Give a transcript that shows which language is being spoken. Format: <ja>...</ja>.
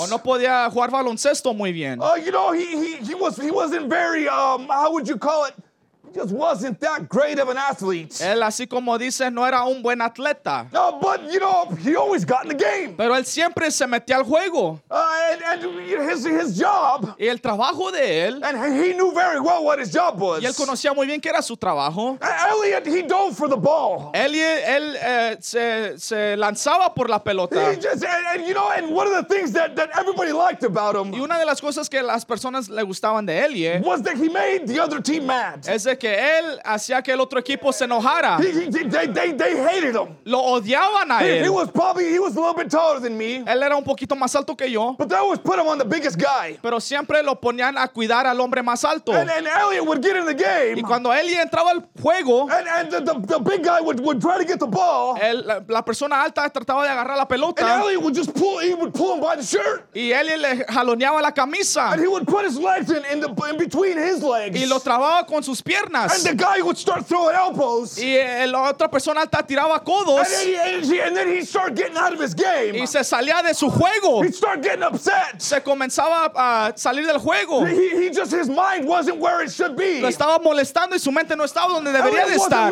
<es>O no podía jugar baloncesto muy bien.</es> <en>You know, he wasn't very, how would you call it? He just wasn't that great of an athlete.</en> <es>Él, así como dice, no era un buen atleta.</es> <en>No, but, you know, he always got in the game.</en> <es>Pero él siempre se metía al juego.</es> <en>And his job.</en> <es>Y el trabajo de él.</es> <en>And he knew very well what his job was.</en> <es>Y él conocía muy bien qué era su trabajo.</es> <en>Elliot, he dove for the ball.</en> <es>Él se lanzaba por la pelota.</es> <en>And one of the things that everybody liked about him.</en> <es>Y una de las cosas que las personas le gustaban de Elliot.</es> <en>Was that he made the other team mad.</en> <es>Que él hacía que el otro equipo se enojara.</es> <en>They hated him.</en> <es>Lo odiaban a él.</es> <en>He was a little bit taller than me.</en> <es>Él era un poquito más alto que yo.</es> <en>But they always put him on the biggest guy.</en> <es>Pero siempre lo ponían a cuidar al hombre más alto.</es> <en>And Elliot would get in the game.</en> <es>Y cuando Elliot entraba al juego.</es> <en>And the big guy would try to get the ball.</en> <es>La persona alta trataba de agarrar la pelota.</es> <en>And Elliot would just pull him by the shirt.</en> <es>Y Elliot le jaloneaba la camisa.</es> <en>And he would put his legs in between his legs.</en> <es>Y lo trababa con sus piernas.</es> <en>And the guy would start throwing elbows.</en> <es>Y la otra persona alta tiraba codos.</es> <en>And then he'd start getting out of his game.</en> <es>Y se salía de su juego.</es> <en>He'd start getting upset.</en> <es>Se comenzaba a salir del juego.</es> <en>He just, his mind wasn't where it should be.</en> <es>Lo estaba molestando y su mente no estaba donde debería de estar.</es>